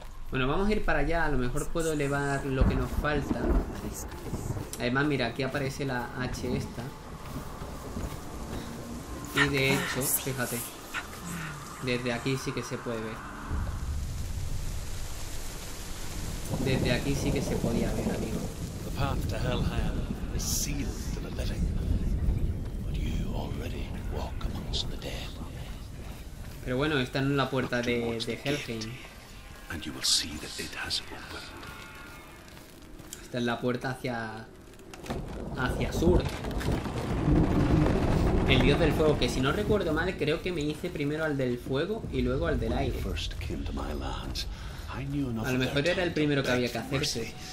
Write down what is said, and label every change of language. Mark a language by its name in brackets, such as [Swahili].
[Spanish] Bueno, vamos a ir para allá. A lo mejor puedo elevar lo que nos falta. Además, mira, aquí aparece la H esta. Y de hecho, fíjate, desde aquí sí que se puede ver. Desde aquí sí que se podía ver, amigo. [English] The path to Helheim is sealed to the living, but you already walk amongst the dead. [Spanish] Pero bueno, está en la puerta de Helheim. [English] And you will see that it has opened. [Spanish] Está en la puerta hacia sur. El dios del fuego, que si no recuerdo mal, creo que me hice primero al del fuego y luego al del aire. [English] First came to my lands. [Spanish] A lo mejor era el primero que había que hacerse.